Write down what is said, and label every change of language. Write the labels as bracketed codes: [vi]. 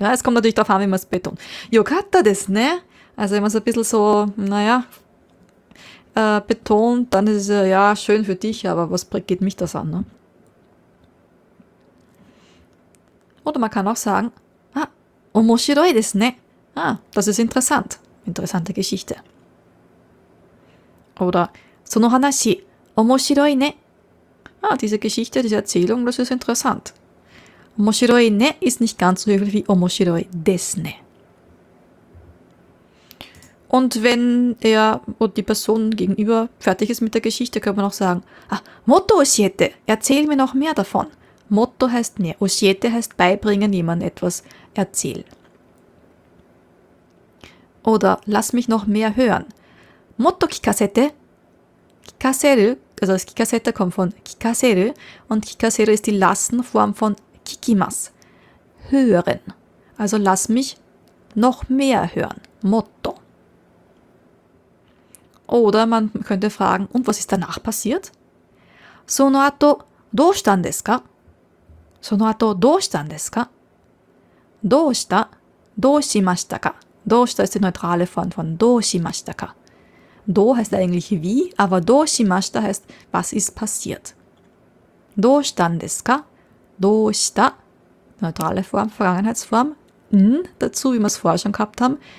[de] Ja, es kommt natürlich darauf an, wie man es betont. [ja] Yokatta desu ne? [de] Also immer so ein bisschen so, betont, dann ist es ja schön für dich, aber was geht mich das an, ne? Oder man kann auch sagen, ah, [ja] 面白いですね. [de] Ah, das ist interessant. Interessante Geschichte. Oder, [ja] その話、面白いね. [de] Ah, diese Geschichte, diese Erzählung, das ist interessant. [ja] 面白いね [de] ist nicht ganz so höflich wie [ja] 面白いですね. [de] Und wenn er oder die Person gegenüber fertig ist mit der Geschichte, kann man auch sagen, ah, [ja] もっと教えて, [de] erzähl mir noch mehr davon. Motto heißt mehr. Oshiete heißt beibringen, jemand etwas erzählen. Oder lass mich noch mehr hören. [ja] Motto kikasete. [de] Kikaseru, also das kikasete kommt von kikaseru. Und kikaseru ist die Lassenform von kikimas. Hören. Also lass mich noch mehr hören. Motto. Oder man könnte fragen, und was ist danach passiert? [ja] Sono ato, doushitan desu ka? その後どうしたんですか? どうした?どうしましたか? どうした [de] ist die neutrale Form von [ja] どうしましたか? [de] どう heißt eigentlich wie, aber [ja] どうしました [de] heißt was ist passiert. [ja] どうしたんですか?どうした? [de] neutrale Form, Vergangenheitsform, n dazu, wie wir es vorher schon gehabt haben.